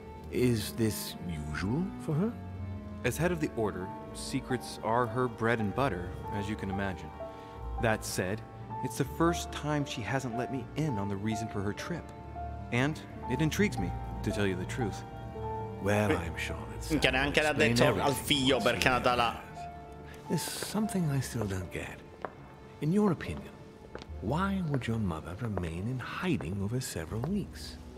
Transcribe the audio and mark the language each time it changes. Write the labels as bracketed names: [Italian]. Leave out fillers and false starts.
[English] Is this usual for her? As head of the Order, secrets are her bread and butter, as you can imagine. That said, it's the first time she hasn't let me in on the reason for her trip. And it intrigues me, to tell you the truth. Well, I'm sure it's... [Italian] neanche l'ha detto al figlio perché è andata là. [English] There's something I still don't get. In your opinion, why would your mother remain in hiding over several weeks?